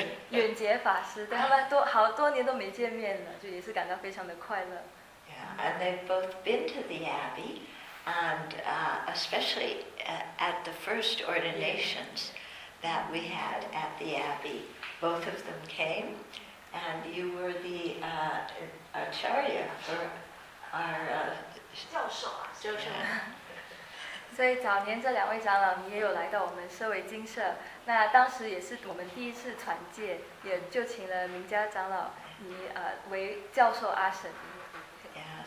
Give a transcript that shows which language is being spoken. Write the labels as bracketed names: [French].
[Chinese] 远杰法师，对他们都好多年都没见面了，就也是感到非常的快乐。 [English] Yeah, and they've both been to the Abbey, and especially at the first ordinations that we had at the Abbey, both of them came, and you were the acharya for our [Chinese] 教授啊，教授。所以早年这两位长老，你也有来到我们社会精舍。那当时也是我们第一次传戒，也就请了明家长老你为教授阿神。 [English] Yeah,